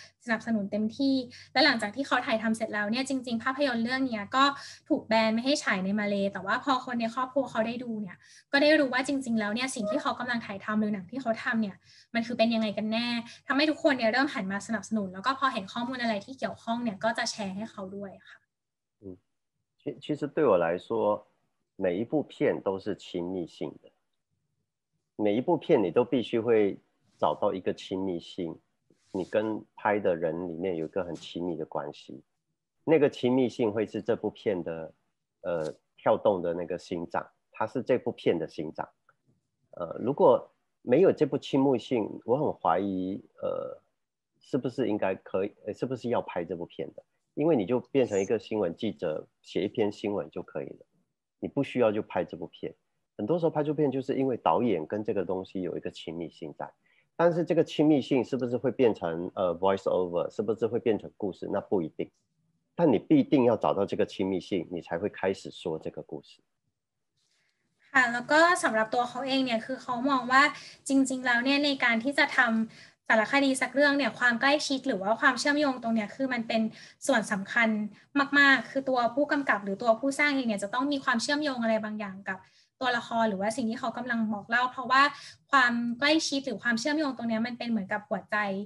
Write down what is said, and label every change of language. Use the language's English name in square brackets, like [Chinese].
[Thai] สนับสนุนเต็มที่และหลังจากที่เขาถ่ายทำเสร็จแล้วเนี่ยจริงๆภาพยนตร์เรื่องนี้ก็ถูกแบนไม่ให้ฉายในมาเลย์แต่ว่าพอคนในครอบครัวเขาได้ดูเนี่ยก็ได้รู้ว่าจริงๆแล้วเนี่ยสิ่งที่เขากำลังถ่ายทำหรือหนังที่เขาทำเนี่ยมันคือเป็นยังไงกันแน่ทำให้ทุกคนเนี่ยเริ่มหันมาสนับสนุนแล้วก็พอเห็นข้อมูลอะไรที่เกี่ยวข้องเนี่ยก็จะแชร์ให้เขาด้วยค่ะ [Chinese] 其实对我来说每一部片都是亲密性的，每一部片你都必须会找到一个亲密性，你跟拍的人里面有一个很亲密的关系，那个亲密性会是这部片的跳动的那个心脏，它是这部片的心脏。如果没有这部亲密性，我很怀疑是不是应该可以，是不是要拍这部片的，因为你就变成一个新闻记者，写一篇新闻就可以了，你不需要就拍这部片。很多时候拍这部片就是因为导演跟这个东西有一个亲密性在，但是这个亲密性是不是会变成voice over， 是不是会变成故事，那不一定，但你必定要找到这个亲密性，你才会开始说这个故事。 [Thai] แล้วก็สำหรับตัวเขาเองเนี่ยคือเขามองว่าจริงๆแล้วเนี่ยในการที่จะทำสารคดีสักเรื่องเนี่ยความใกล้ชิดหรือว่าความเชื่อมโยงตรงเนี้ยคือมันเป็นส่วนสำคัญมากๆคือตัวผู้กำกับหรือตัวผู้สร้างเองเนี่ยจะต้องมีความเชื่อมโยงอะไรบางอย่างกับตัวละครหรือว่าสิ่งที่เขากำลังบอกเล่าเพราะว่าความใกล้ชิดหรือความเชื่อมโยงตรงเนี้ยมันเป็นเหมือนกับหัวใจ